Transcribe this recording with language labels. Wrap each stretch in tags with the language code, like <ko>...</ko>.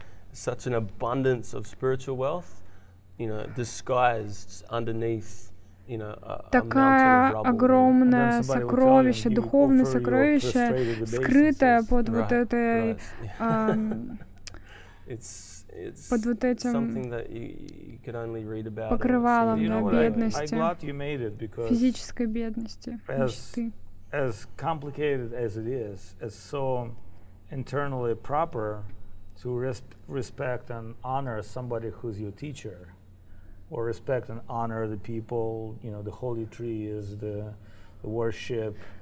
<en>Such an abundance of spiritual wealth, you know, disguised underneath,</en> <ru>такое огромное сокровище, духовное сокровище, скрытое под вот этой... под вот этим покрывалом, да, бедности, физической бедности, мечты.</ru> <en>As complicated as it is, it's so internally proper to respect and honor somebody who's your teacher, or respect and honor the people, you know, the holy tree is the worship.</en>